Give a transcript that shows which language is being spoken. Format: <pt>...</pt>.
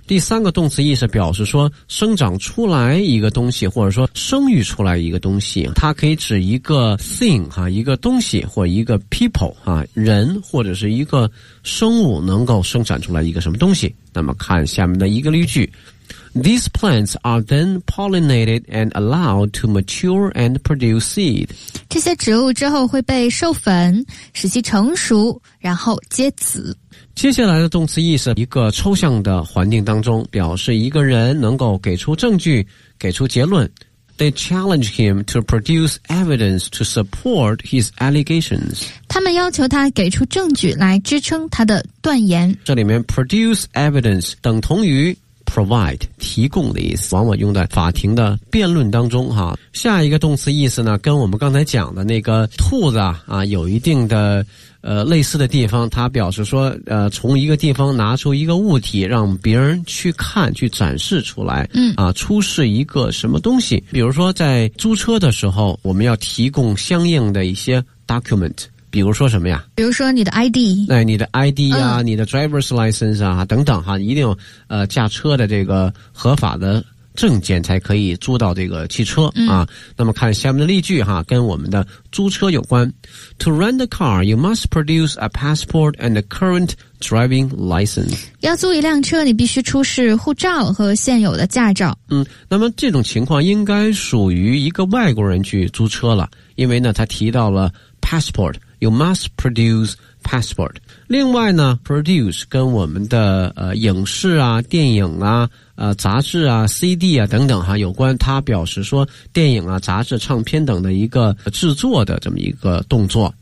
<zh>第三个动词意思表示说生长出来一个东西，或者说生育出来一个东西，它可以指一个 thing 哈，一个东西或一个 people 哈，人或者是一个生物能够生产出来一个什么东西。那么看下面的一个例句。</zh> <en>These plants are then pollinated and allowed to mature and produce seed.</en> <zh>这些植物之后会被授粉，使其成熟，然后结籽。接下来的动词意思，一个抽象的环境当中，表示一个人能够给出证据，给出结论。</zh> <en>They challenge him to produce evidence to support his allegations.</en> <zh>他们要求他给出证据来支撑他的断言。这里面</zh> <en>produce evidence</en> <zh>等同于provide 提供的意思，往往用在法庭的辩论当中哈。下一个动词意思呢，跟我们刚才讲的那个兔子啊有一定的类似的地方，它表示说从一个地方拿出一个物体让别人去看，去展示出来，出示一个什么东西。比如说在租车的时候，我们要提供相应的一些 document。比如说什么呀？比如说你的 ID，哎，你的 ID 啊，你的</zh> <en>driver's license</en> <zh>啊，等等哈，一定有驾车的这个合法的证件才可以租到这个汽车啊。那么看下面的例句哈，跟我们的租车有关。</zh> <en>To rent a car, you must produce a passport and a current driving license.</en> <zh>要租一辆车，你必须出示护照和现有的驾照。那么这种情况应该属于一个外国人去租车了，因为呢，他提到了passport，</zh> <en>you must produce passport。</en> <zh>另外呢 produce 跟我们的影视啊、电影啊、杂志啊、 CD 啊等等哈有关，它表示说电影啊、杂志、唱片等的一个制作的这么一个动作。</zh>